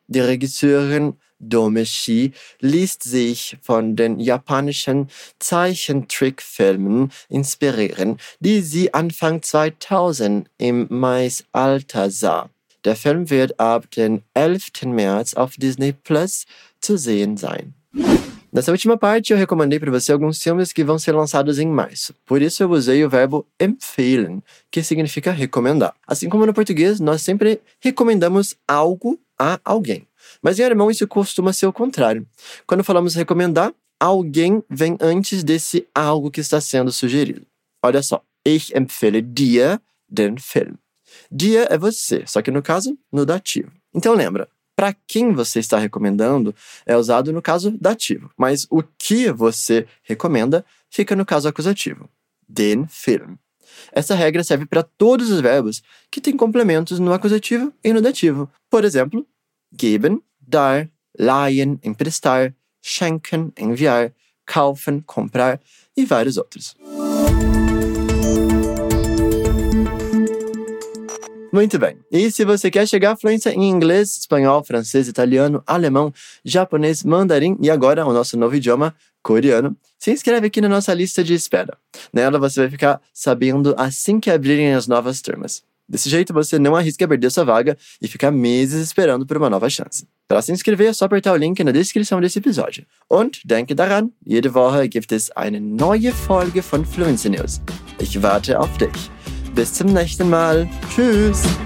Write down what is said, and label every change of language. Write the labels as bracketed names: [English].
[German] Die Regisseurin Dome Shi ließ sich von den japanischen Zeichentrickfilmen inspirieren, die sie Anfang 2000 im Mais Alter sah. Der Film wird ab den 11. März auf Disney Plus zu sehen sein. [Portuguese] Nessa última parte, eu recomendei para você alguns filmes que vão ser lançados em março. Por isso, eu usei o verbo empfehlen, que significa recomendar. Assim como no português, nós sempre recomendamos algo a alguém. Mas em alemão, isso costuma ser o contrário. Quando falamos recomendar, alguém vem antes desse algo que está sendo sugerido. Olha só. [German] Ich empfehle dir den Film. [Portuguese] Dir é você, só que no caso, no dativo. Então lembra, para quem você está recomendando é usado no caso dativo, mas o que você recomenda fica no caso acusativo. [German] Den Film. [Portuguese] Essa regra serve para todos os verbos que têm complementos no acusativo e no dativo. Por exemplo, geben, dar, leihen, emprestar, schenken, enviar, kaufen, comprar e vários outros. Muito bem. E se você quer chegar à fluência em inglês, espanhol, francês, italiano, alemão, japonês, mandarim e agora o nosso novo idioma, coreano, se inscreve aqui na nossa lista de espera. Nela você vai ficar sabendo assim que abrirem as novas turmas. Desse jeito você não arrisca perder sua vaga e ficar meses esperando por uma nova chance. Para se inscrever é só apertar o link na descrição desse episódio. [German] Und denke daran, jede Woche gibt es eine neue Folge von Fluency News. Ich warte auf dich. Bis zum nächsten Mal. Tschüss.